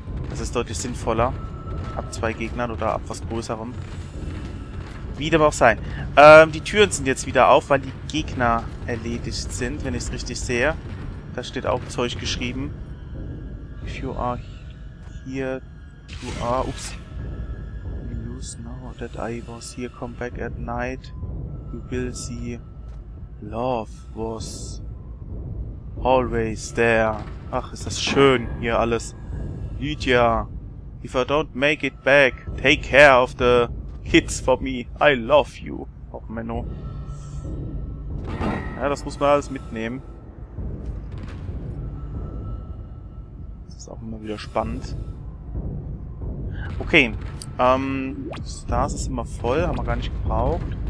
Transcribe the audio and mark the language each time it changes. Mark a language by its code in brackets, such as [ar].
[de] Das ist deutlich sinnvoller. Ab 2 Gegnern oder ab was Größerem. Wie dem auch sein. Die Türen sind jetzt wieder auf, weil die Gegner erledigt sind, wenn ich es richtig sehe. Da steht auch Zeug geschrieben. [en] If you are here, you are... Ups. You know that I was here, come back at night. You will see love was always there. [de] Ach, ist das schön hier alles. [en] Lydia, if I don't make it back, take care of the... Kids for me. I love you. [de] Auch Menno. Ja, das muss man alles mitnehmen. Das ist auch immer wieder spannend. Okay. Stars ist immer voll. Haben wir gar nicht gebraucht.